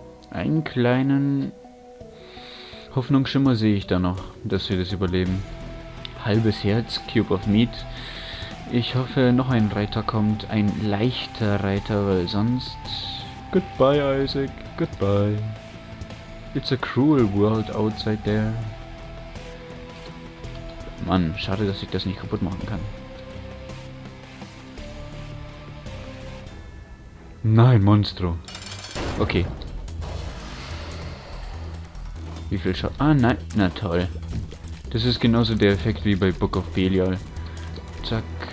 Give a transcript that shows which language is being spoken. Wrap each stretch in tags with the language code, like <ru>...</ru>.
<de>Einen kleinen Hoffnungsschimmer sehe ich da noch, dass wir das überleben. Halbes Herz, Cube of Meat. Ich hoffe, noch ein Reiter kommt. Ein leichter Reiter, weil sonst...</de> <en>Goodbye, Isaac. Goodbye. It's a cruel world outside there.</en> <de>Mann, schade, dass ich das nicht kaputt machen kann. Nein, Monstro. Okay. Wie viel Schaden? Ah, nein. Na toll. Das ist genauso der Effekt wie bei Book of Belial. Zack.</de>